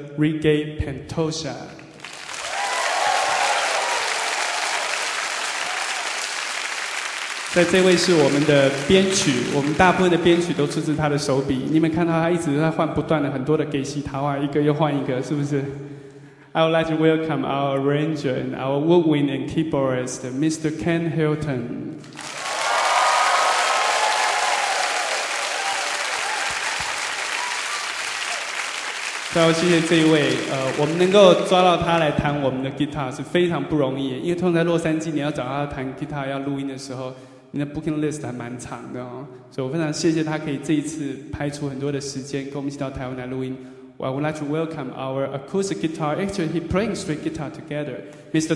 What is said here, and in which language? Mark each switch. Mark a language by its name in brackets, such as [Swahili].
[Chinese] Reggae Pantosha。在这位是我们的编曲，我们大部分的编曲都出自他的手笔。你们看到他一直在换不断的很多的给戏桃啊，一个又换一个，是不是？ [English] I would like to welcome our arranger and our woodwind and keyboardist, Mr. Ken Hilton. [Chinese] So, 谢谢这一位，我们能够抓到他来弹我们的 guitar 是非常不容易，因为通常在洛杉矶你要找他弹 guitar 要录音的时候，你的 booking list 还蛮长的哦，所以我非常谢谢他可以这一次拍出很多的时间跟我们一起到台湾来录音。 [English] I would like to welcome our acoustic guitar, actually he playing straight guitar together, Mr.